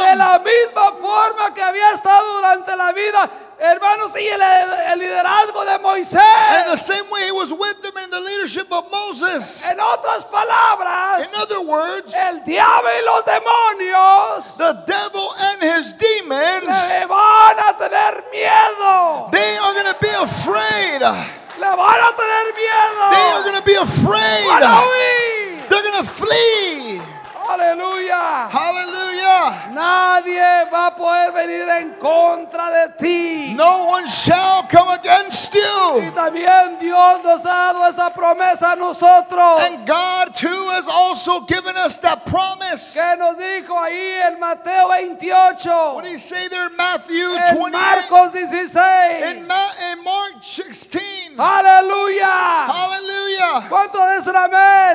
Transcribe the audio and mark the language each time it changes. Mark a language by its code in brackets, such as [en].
[es] De la misma forma que había estado durante la vida. Hermanos, y el liderazgo de Moisés. [en] And the same way he was with them in the leadership of Moses. [es] En otras palabras, [en] in other words, [es] el diablo y los demonios, [en] the devil and his demons, [es] le van a tener miedo. [en] They are going to be afraid. [es] Le van a tener miedo. [en] They are going to be afraid. They're going to flee. [es] Aleluya. [en] Hallelujah. [es] Nadie va a poder venir en contra de ti. [en] No one shall come against you. [es] Y también Dios nos ha dado esa promesa a nosotros. [en] And God too has also given us that promise. [es] Que nos dijo ahí en Mateo 28. [en] What did he say there in Matthew [es] 28? Marcos 16. [en] In Mark 16. [es] Aleluya. [en] Hallelujah. [es] ¿Cuánto dicen amén?